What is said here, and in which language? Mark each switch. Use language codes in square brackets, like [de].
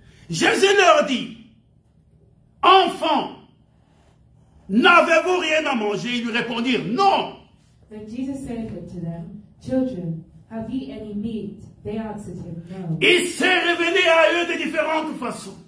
[fr] Jésus leur dit, enfants, n'avez-vous rien à manger? Ils lui répondirent, non. [en] Then Jesus said to them, children, have ye any meat? They answered him, no. [fr] Il s'est révélé à eux de différentes façons.